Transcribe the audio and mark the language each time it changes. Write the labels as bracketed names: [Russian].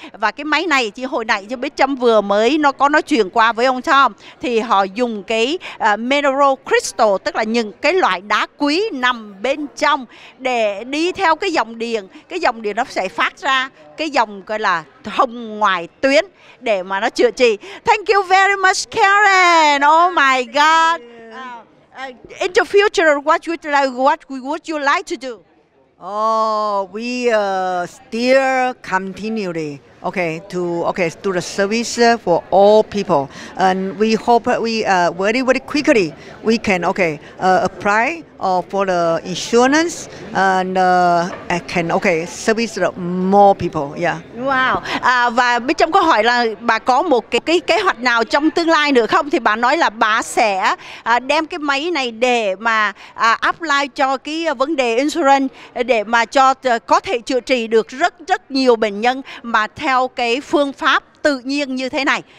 [Vietnamese] Và cái máy này chị hồi nãy cho biết Trâm vừa mới nó có nói chuyện qua với ông Tom, thì họ dùng cái mineral crystal, tức là những cái loại đá quý nằm bên trong để đi theo cái dòng điện. Cái dòng điện nó sẽ phát ra cái dòng gọi là hồng ngoại tuyến để mà nó chữa trị. [English] Thank you very much, Karen. Oh my God. In the future, what would you like to do? Oh, we still continually to do the service for all people, and we hope we very very quickly we can apply for the insurance and can service more people. Yeah. Wow. [Vietnamese] Và bên trong câu hỏi là bà có một cái kế hoạch nào trong tương lai nữa không, thì bà nói là bà sẽ đem cái máy này để mà apply cho cái vấn đề insurance, để mà cho có thể chữa trị được rất rất nhiều bệnh nhân mà theo cái phương pháp tự nhiên như thế này.